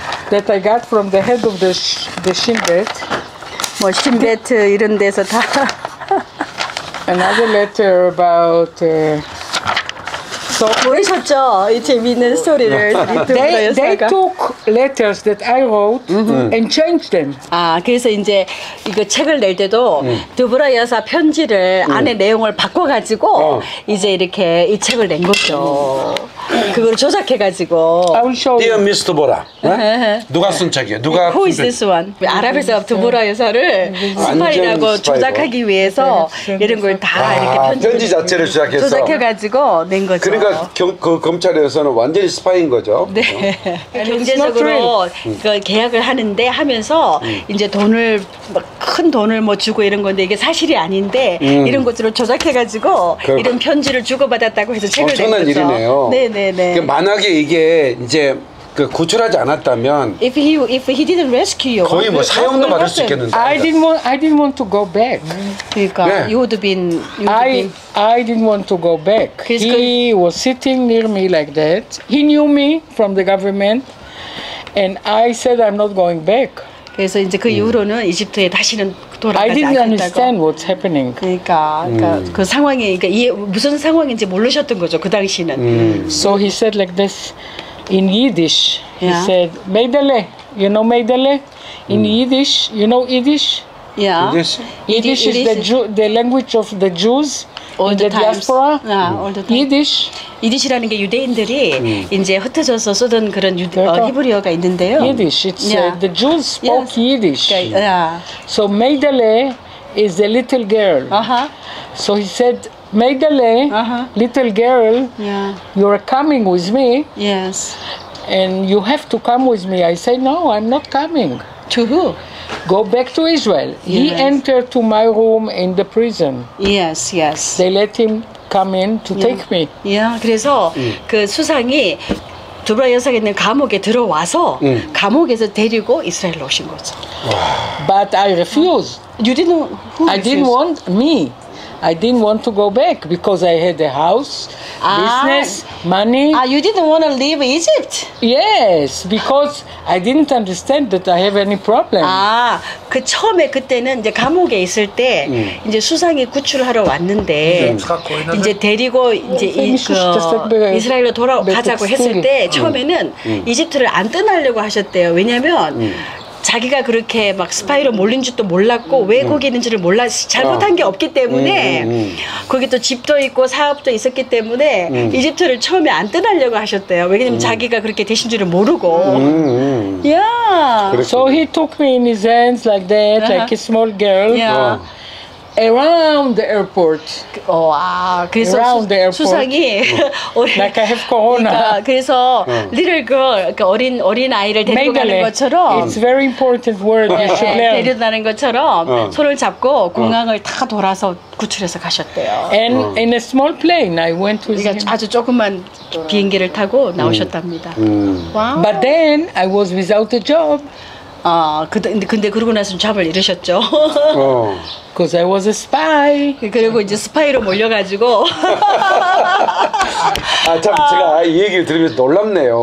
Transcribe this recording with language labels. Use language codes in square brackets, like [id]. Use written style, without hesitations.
[en] That I got from the head of the Shinbet. [ko] 뭐 Shinbet 이런 데서 다. [en] Another letter about. [ko] So 보이셨죠? 이 재미있는 스토리를 [en] They took letters that I wrote and changed them. [ko] 아, 그래서 이제 이거 책을 낼 때도 두브라 여사 편지를 안에 내용을 바꿔가지고 이제 이렇게 이 책을 낸 거죠. 그걸 조작해가지고. [en] Dear Mr. Dvorah. [ko] 누가 쓴 책이에요? 누가? [en] Who is this one? [ko] 아랍에서 두브라 여사를 스파이라고 조작하기 위해서 이런 걸 다 이렇게 편지 자체를 조작해서 조작해가지고 낸 거죠. 그러니까 그 검찰에서는 완전히 스파인 거죠. 네. 경제적으로 그 계약을 하는데 하면서 이제 돈을 큰 돈을 뭐 주고 이런 건데 이게 사실이 아닌데 이런 것으로 조작해가지고 이런 편지를 주고받았다고 해서 책을 엄청난 일이네요. 네네네. 만약에 이게 이제 그 구출하지 않았다면 [en] if he didn't rescue you [ko] 거의 뭐 사형도 받을 수 있겠는데 [en] I didn't want to go back. 그러니까 yeah. you would have been I didn't want to go back. He was sitting near me like that. He knew me from the government and I said I'm not going back. [ko] 그래서 이제 그 이후로는 이집트에 다시는 돌아가지 [en] I didn't [ko] 않겠다고. [en] understand what's happening. [ko] 그러니까 그 상황이 그러니까 이게 무슨 상황인지 모르셨던 거죠, 그 당시는. [en] So he said like this. In Yiddish, he said, "Meidele, you know Meidele." In Yiddish, you know Yiddish. Yeah. Yiddish is the language of the Jews all in the diaspora. Yeah, all the time. Yiddish. [ko] Yiddish라는 게 유대인들이 이제 흩어져서 쓰던 그런 히브리어가 있는데요. [en] Yiddish. It's the Jews spoke Yiddish. Yeah. So Meidele is a little girl. So he said. Meidele, little girl, you're coming with me. Yes. And you have to come with me. I say, no, I'm not coming. To who? Go back to Israel. Yes. He entered to my room in the prison. Yes, yes. They let him come in to take me. [ko] Yeah, 그래서 그 수상이 두브라 여사가 있는 감옥에 들어와서 감옥에서 데리고 이스라엘로 오신 거죠. [en] But I refused. You didn't, who refused? I didn't want me. I didn't want to go back because I had a house, business, money. You didn't want to leave Egypt? Yes, because I didn't understand that I have any problem. [ko] 그 처음에 그때는 이제 감옥에 있을 때 이제 수상이 구출하러 왔는데 이제 데리고 이제 이스라엘로 돌아가자고 했을 때 처음에는 이집트를 안 떠나려고 하셨대요. 왜냐면 자기가 그렇게 막 스파이로 몰린 줄도 몰랐고 외국인인지를 몰랐 잘못한 게 없기 때문에 거기 또 집도 있고 사업도 있었기 때문에 이집트를 처음에 안 떠나려고 하셨대요. 왜냐면 자기가 그렇게 되신 줄을 모르고. [en] Yeah. So he took me in his hands like that, like a small girl. Yeah. Around the airport. Oh, around the airport. [ko] 수상이 [en] like I have corona. [ko] 그러니까 그래서 [en] little girl, [ko] 그러니까 어린 아이를 데리고 가는 것처럼. [en] It's very important word. [ko] 데려다는 것처럼 손을 잡고 공항을 다 돌아서 구출해서 가셨대요. [en] And in a small plane, I went to. [ko] 그러니까 아주 조그만 비행기를 타고 나오셨답니다. [en] Wow. But then I was without a job. [ko] 근데 그러고 나서 잡을 잃으셨죠. [en] Because I was a spy. [ko] 그리고 이제 스파이로 몰려가지고. 아, 참, 제가 이 얘기를 들으면서 놀랍네요.